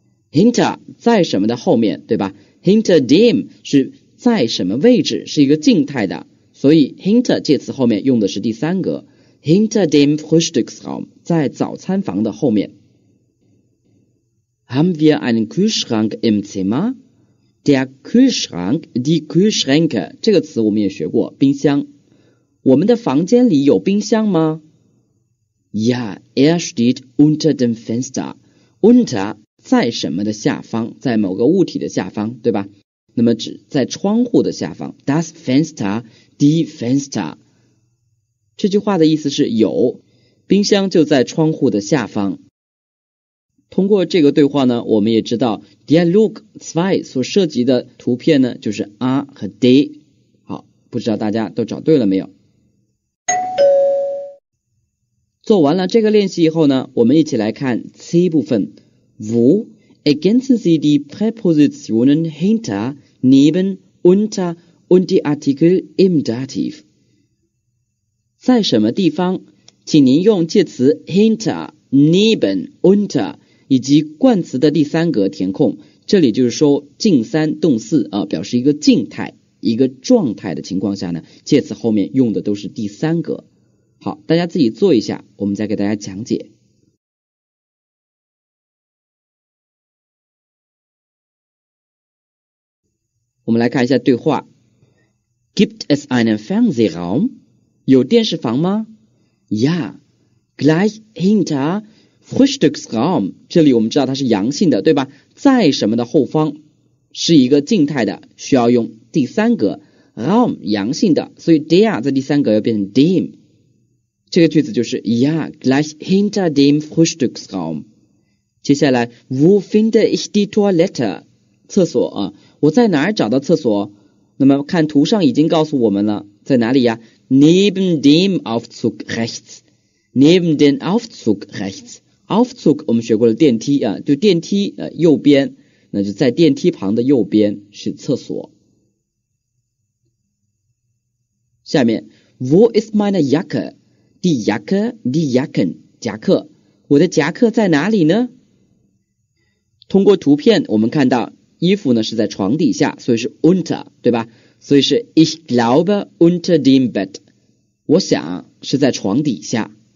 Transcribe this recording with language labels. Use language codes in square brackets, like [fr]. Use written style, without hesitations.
[zh] Hinter 在什么的后面，对吧？Hinter dem 是在什么位置，是一个静态的，所以 hinter 介词后面用的是第三格。 [de] Hinter dem Frühstücksraum [zh] 在早餐房的后面。 [de] Haben wir einen Kühlschrank im Zimmer? Der Kühlschrank, die Kühlschränke [zh] 这个词我们也学过，冰箱。我们的房间里有冰箱吗？ [de] Ja, er steht unter dem Fenster. [zh] Unter在什么的下方，在某个物体的下方，对吧？那么指在窗户的下方。 [de] Das Fenster, die Fenster。 [zh] 这句话的意思是有，冰箱就在窗户的下方。通过这个对话呢，我们也知道 Dialog 2所涉及的图片呢，就是 A 和 D。好，不知道大家都找对了没有？做完了这个练习以后呢，我们一起来看 C 部分。 [de] Wo ergänzen Sie die Präpositionen hinter, neben, unter und die Artikel im Dativ? [zh] 在什么地方，请您用介词 hinter, neben, unter 以及冠词的第三格填空。这里就是说近三动四啊，表示一个静态、一个状态的情况下呢，介词后面用的都是第三格。好，大家自己做一下，我们再给大家讲解。我们来看一下对话。 [de] Gibt es einen Fernsehraum? [zh] 有电视房吗？ [de] Ja, gleich hinter Frühstücksraum. [zh] 这里我们知道它是阳性的，对吧？在什么的后方，是一个静态的，需要用第三格。 Raum, 阳性的，所以 der 在第三格要变成 dem。这个句子就是 [de] Ja, gleich hinter dem Frühstücksraum. [zh] 接下来 [de] Wo finde ich die Toilette? [zh] 厕所啊。我在哪儿找到厕所？那么看图上已经告诉我们了，在哪里呀？ [de] Neben dem Aufzug rechts. Neben dem Aufzug rechts. [zh] Aufzug 我们学过了电梯啊，就电梯右边，那就在电梯旁的右边是厕所。下面 [de] Wo ist meine Jacke? Die Jacke, die Jacken, [zh] 夹克。我的夹克在哪里呢？通过图片我们看到衣服呢是在床底下，所以是 unter, 对吧？所以是 [de] ich glaube unter dem Bett, [zh] 我想是在床底下。